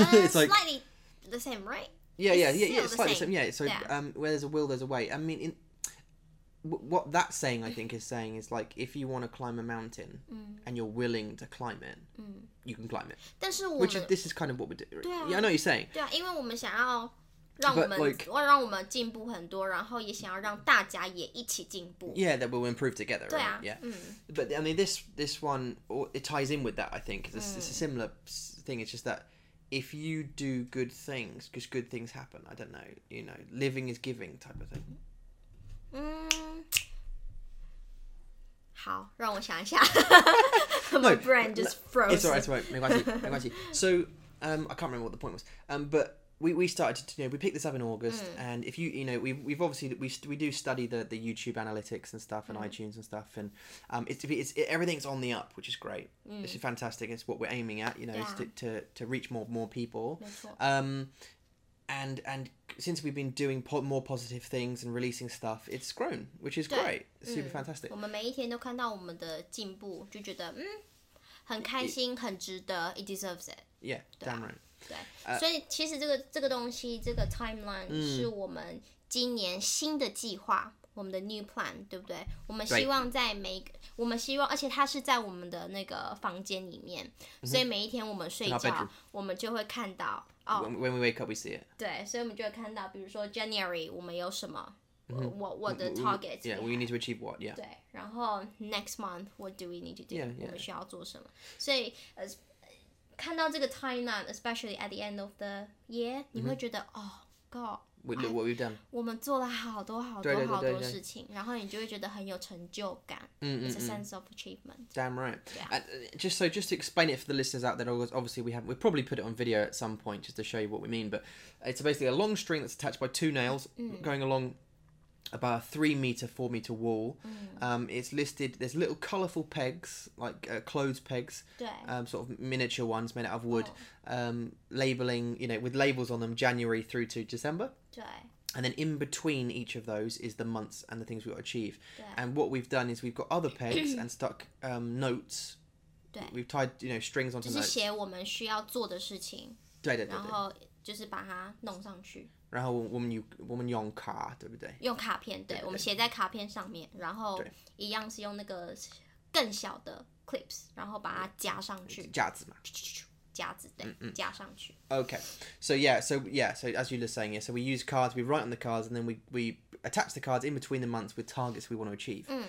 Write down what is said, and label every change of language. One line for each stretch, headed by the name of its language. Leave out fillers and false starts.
English: slightly the same, right? Yeah, it's slightly the same. Yeah, so where there's a will, there's a way. I mean, what that saying, I think, is saying is, like, if you want to climb a mountain and you're willing to climb it, you can climb it.
Chinese: 但是我们
English: Which is, this is kind of what we're doing. Yeah, I know what you're saying.
Chinese: 对啊，因为我们想要让我们 让我们进步很多，然后也想要让大家也一起进步。
English: Yeah, that we'll improve together, right?
Chinese: 对啊。
English: Yeah. But, I mean, this one, it ties in with that, I think. Cause it's a similar thing. It's just that... If you do good things, because good things happen, I don't know, you know, living is giving type of thing.
Chinese: 好，让我想一下。
English: No, My brain just froze. It's all right, 没关系，没关系。 So, I can't remember what the point was. But we started to, you know, we picked this up in August, and if you, you know, we've obviously, we do study the YouTube analytics and stuff, and iTunes and stuff, and it's everything's on the up, which is great. This is fantastic. It's what we're aiming at, you know, to reach more people. And since we've been doing more positive things and releasing stuff, it's grown, which is great. Super fantastic.
Chinese: 我们每一天都看到我们的进步，就觉得很开心，很值得。
English: It deserves it. Yeah, damn right.
Chinese: 对，所以其实这个东西，这个 timeline 是我们今年新的计划，我们的 new plan，对不对？我们希望在每个，我们希望，而且它是在我们的那个房间里面，所以每一天我们睡觉，我们就会看到哦。
English: When we wake up, we see it.
Chinese: 对，所以我们就会看到，比如说 January， 我们有什么。 What the targets?
English: Yeah, we need to achieve what? Yeah. 对，然后 next month, what do we need to do? Yeah.
Chinese: 我们需要做什么？所以看到这个 timeline, especially at the end of the year, 你会觉得 oh God,
English: look what we've done.
Chinese: 我们做了好多好多好多事情，然后你就会觉得很有成就感。
English: It's a sense of achievement. Damn right. Yeah. Just to explain it for the listeners out there, obviously we probably put it on video at some point just to show you what we mean, but it's basically a long string that's attached by two nails going along about a 3-meter, 4-meter wall. It's listed, there's little colourful pegs, like clothes pegs, sort of miniature ones made out of wood, labelling, you know, with labels on them, January through to December.
Chinese: 对。
English: And then in between each of those is the months and the things we've got to achieve. And what we've done is we've got other pegs and stuck notes.
Chinese: 对。
English: We've tied, you know, strings onto notes.
Chinese: 就是写我们需要做的事情。对。然后就是把它弄上去。然后我们用卡，对不对？用卡片，对，我们写在卡片上面，然后一样是用那个更小的 clips， 然后把它夹上去，夹子嘛，夹子，对，夹上去。
English: Okay, so as you were saying, yeah, so we use cards, we write on the cards, and then we attach the cards in between the months with targets we want to achieve.